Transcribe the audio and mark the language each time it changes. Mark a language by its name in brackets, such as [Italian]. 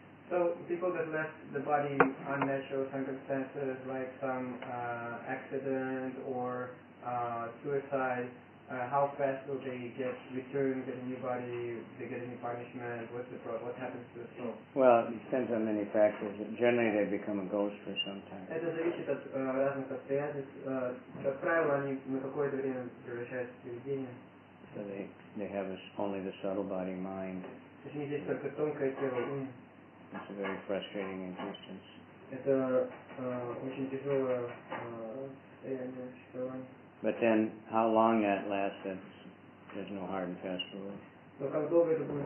[English] So people that left the body unnatural circumstances, like some accident or suicide, how fast will they get returned, get a new body, they get any punishment, what's the problem, what happens to the soul? Well, it depends on many factors. Generally they become a ghost for some time. [Russian] Это зависит от разных обстоятельств. Как правило, они на какое-то время превращаются в привидение. [English] So they have only the subtle body mind. [Russian] То есть они здесь только тонкое тело ум. [English] It's a very frustrating existence. [Russian] Это очень тяжелое состояние существования. [English] But then, how long that lasts, there's no hard and fast rule.